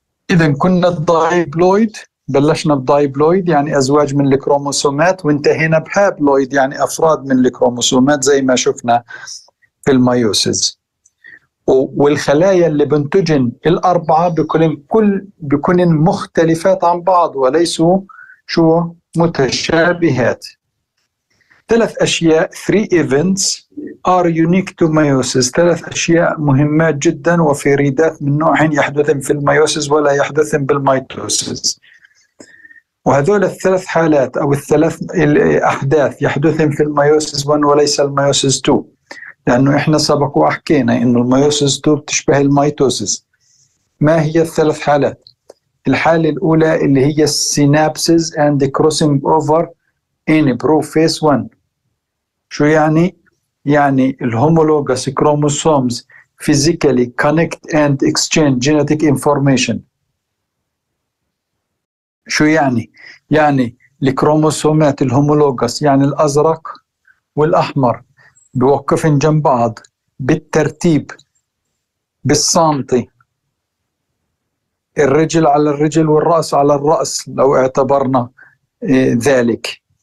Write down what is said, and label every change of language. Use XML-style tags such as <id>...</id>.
<ar>إذا كنا الدايبلويد بلشنا بدايبلويد يعني أزواج من الكروموسومات وانتهينا بهابلويد يعني أفراد من الكروموسومات زي ما شفنا في الميوسيس. والخلايا اللي بنتجن الأربعة بكونن مختلفات عن بعض وليسوا شو متشابهات. ثلاث أشياء</ar> <en>three events are unique to meiosis.</en> <ar>ثلاث أشياء مهمات جدا وفريدات من نوعين يحدثن في الميوسيس ولا يحدثن بالميتوسيس. وهذول الثلاث حالات أو الثلاث الأحداث يحدثن في الميوسيس 1 وليس الميوسيس 2 لأنه إحنا سبق وحكينا إنه الميوسيس 2 بتشبه الميتوسيس. ما هي الثلاث حالات؟ الحالة الأولى اللي هي</ar> <en>synapses and crossing over in prophase 1.</en> <ar>شو يعني؟ يعني الهومولوجس كروموسومز</ar> <en>physically connect and exchange genetic information.</en> <ar>شو يعني؟ يعني الكروموسومات الهومولوجس يعني الأزرق والأحمر بوقفن جنب بعض بالترتيب بالسنتي الرجل على الرجل والرأس على الرأس لو اعتبرنا ذلك.</ar>